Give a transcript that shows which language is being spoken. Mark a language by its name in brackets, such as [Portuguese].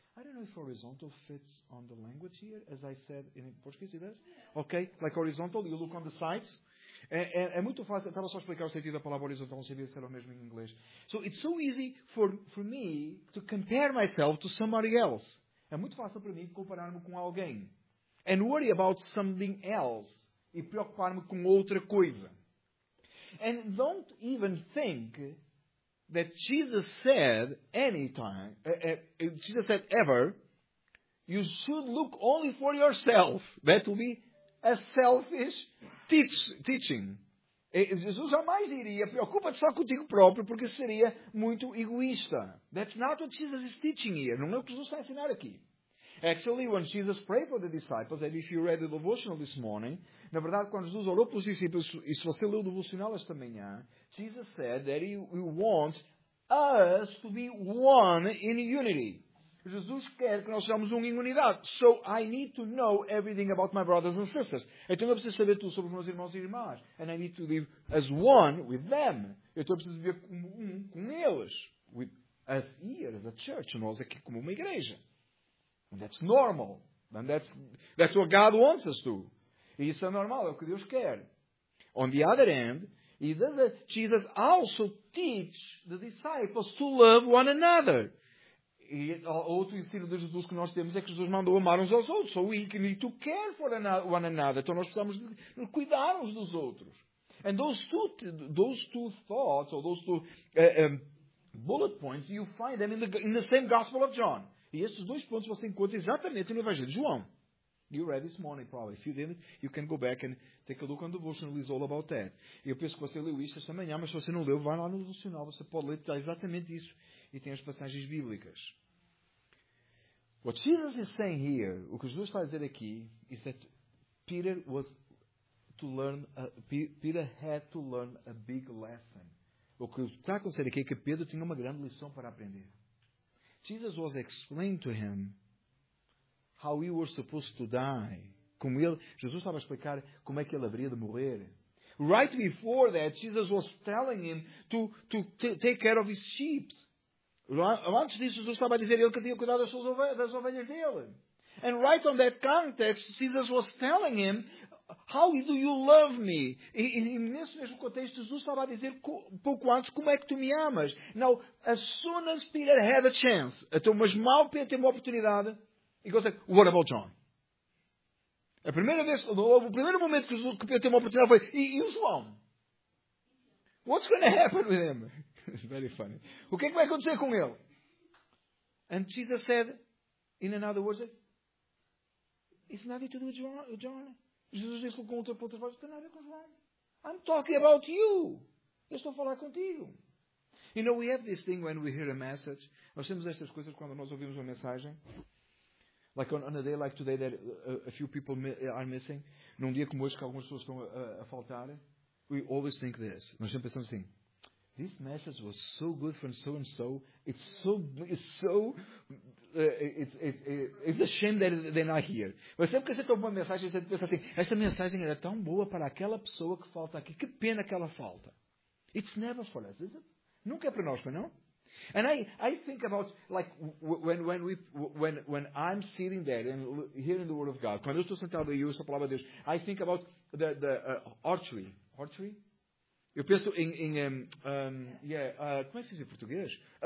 [English] I don't know if horizontal fits on the language here, as I said in Portuguese, it does. Okay, like horizontal, you look on the sides. [Portuguese] É muito fácil. Estava só a explicar o sentido da palavra horizontal, não sabia se era o mesmo em inglês. [English] So it's so easy for me to compare myself to somebody else. [Portuguese] É muito fácil para mim comparar-me com alguém. [English] And worry about something else. [Portuguese] E preocupar-me com outra coisa. [English] And don't even think that Jesus said anytime, Jesus said ever, you should look only for yourself. That will be a selfish teaching. [Portuguese] Jesus jamais diria, preocupa-te só contigo próprio, porque seria muito egoísta. [English] That's not what Jesus is teaching here. [Portuguese] Não é o que Jesus está a ensinar aqui. [English] Actually, when Jesus prayed for the disciples, and if you read the devotional this morning, [Portuguese] na verdade, quando Jesus orou para os discípulos, e se você leu o devocional esta manhã, [English] Jesus said that he wants us to be one in unity. [Portuguese] Jesus quer que nós sejamos um em unidade. [English] So, I need to know everything about my brothers and sisters. [Portuguese] Então, eu preciso saber tudo sobre os meus irmãos e irmãs. [English] And I need to live as one with them. [Portuguese] Então, eu preciso viver como um com eles. [English] With us here, as a church. [Portuguese] Nós aqui como uma igreja. [English] And that's normal. And that's what God wants us to. [Portuguese] E isso é normal, é o que Deus quer. [English] On the other hand, Jesus also teach the disciples to love one another. [Portuguese] E outro ensino de Jesus que nós temos é que Jesus mandou amar uns aos outros. [English] So we need to care for one another. [Portuguese] Então nós precisamos de cuidar uns dos outros. [English] And those two bullet points, you find them in the same Gospel of John. [Portuguese] E esses dois pontos você encontra exatamente no Evangelho de João. [English] You read this morning, probably. If you didn't, you can go back and take a look on the devotional. It's all about that. [Portuguese] Eu penso que você leu isto esta manhã, mas se você não leu, vai lá no devocional. Você pode ler exatamente isso. E tem as passagens bíblicas. [English] What Jesus is saying here, [Portuguese] o que Jesus está a dizer aqui, [English] is that Peter was to learn. Peter had to learn a big lesson. [Portuguese] O que está a acontecer aqui é que Pedro tinha uma grande lição para aprender. [English] Jesus was explaining to him how he was supposed to die. [Portuguese] Como ele, Jesus estava a explicar como é que ele haveria de morrer. [English] Right before that, Jesus was telling him to take care of his sheep. [Portuguese] Antes disso, Jesus estava a dizer a ele que tinha cuidado das ovelhas dele. [English] And right on that context, Jesus was telling him, how do you love me? [Portuguese] E nesse mesmo contexto, Jesus estava a dizer pouco antes, como é que tu me amas? [English] Now, as soon as Peter had a chance, [Portuguese] mas mal Peter teve uma oportunidade, [English] he goes like, what about John? [Portuguese] A primeira vez, o primeiro momento que Peter teve uma oportunidade foi, e o João? [English] What's going to happen with him? It's very funny. [Portuguese] O que é que vai acontecer com ele? [English] And Jesus said, in another words, it's nothing to do with John. [Portuguese] Jesus disse com outra ponta, não tem nada a ver com João. [English] I'm talking about you. [Portuguese] Eu estou a falar contigo. [English] You know, we have this thing when we hear a message. [Portuguese] Nós temos estas coisas quando nós ouvimos uma mensagem. [English] Like on a day like today that a few people are missing. [Portuguese] Num dia como hoje que algumas pessoas estão a faltar. [English] We always think this. [Portuguese] Nós sempre pensamos assim. [English] This message was so good from so and so. It's so it's a shame that they're not here. [Portuguese] Mas sempre que você toma uma mensagem, você pensa assim, esta mensagem era tão boa para aquela pessoa que falta aqui. Que pena que ela falta. [English] It's never for us, is it? [Portuguese] Nunca é para nós, não? [English] And I think about, like, when I'm sitting there and hearing the Word of God, [Portuguese] quando eu estou sentado e ouço a Palavra de Deus, [English] I think about the archery. Archery? [Portuguese] Eu penso como é que se diz em português?